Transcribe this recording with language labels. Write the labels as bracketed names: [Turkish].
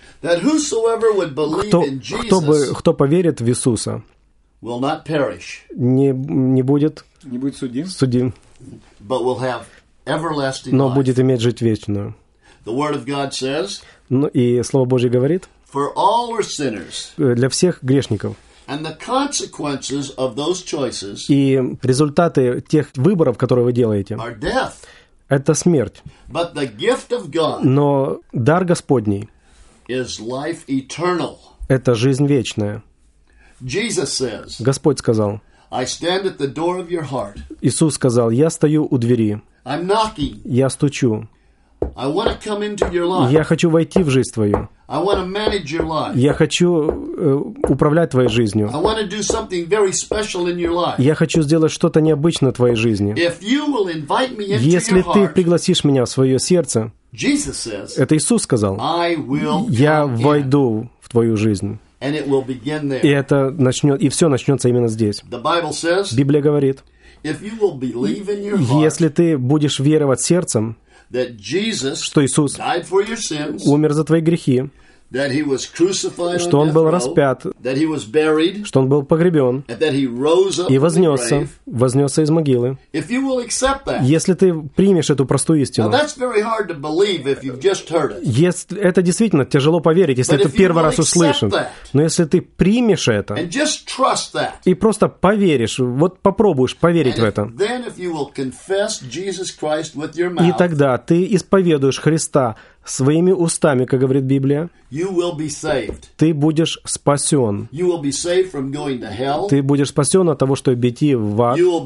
[English] that whosoever would believe [Russian] кто, [English] in Jesus, [Russian] кто поверит в Иисуса, [English] will not perish, [Russian] не будет судим, [English] but will have everlasting [Russian] но [English] life. [Russian] Будет иметь жизнь вечную. [English] The word of God says, [Russian] ну, и Слово Божье говорит, [English] for all were sinners, [Russian] для всех грешников. [English] And the consequences of those choices, [Russian] и результаты тех выборов, которые вы делаете, [English] are death. [Russian] Это смерть. [English] But the gift of God, [Russian] но дар Господний, [English] is life eternal. [Russian] Это жизнь вечная. [English] Jesus says, [Russian] Господь сказал, [English] I stand at the door of your heart. [Russian] Иисус сказал, я стою у двери. [English] I'm knocking. [Russian] Я стучу. [English] I want to come into your life. [Russian] Я хочу войти в жизнь твою. [English] I want to manage your life. [Russian] Я хочу управлять твоей жизнью. [English] I want to do something very special in your life. [Russian] Я хочу сделать что-то необычное в твоей жизни. [English] If you will invite me into your heart, [Russian] если ты пригласишь меня в свое сердце, [English] Jesus says, [Russian] это Иисус сказал, [English] I will [Russian] я войду в твою жизнь. [English] And it will begin there. [Russian] И это начнет, и все начнется именно здесь. [English] The Bible says, [Russian] Библия говорит, [English] if you will believe in your heart, [Russian] если ты будешь веровать сердцем, [English] that Jesus [Russian] что Иисус [English] died for your sins, [Russian] умер за твои грехи, [English] that he was crucified, [Russian] что Он был распят, [English] that he was buried, [Russian] что Он был погребен, [English] and that he rose up [Russian] и вознесся, [English] grave, [Russian] вознесся из могилы. [English] If you will accept that, [Russian] если ты примешь эту простую истину, это действительно тяжело поверить, если [English] but [Russian] ты первый раз услышан. [English] That, [Russian] но если ты примешь это [English] and just trust that, [Russian] и просто поверишь, вот попробуешь поверить в это, [English] then if you will confess Jesus Christ with your mouth, [Russian] и тогда ты исповедуешь Христа своими устами, как говорит Библия, ты будешь спасен. Ты будешь спасен от того, чтобы идти в ад.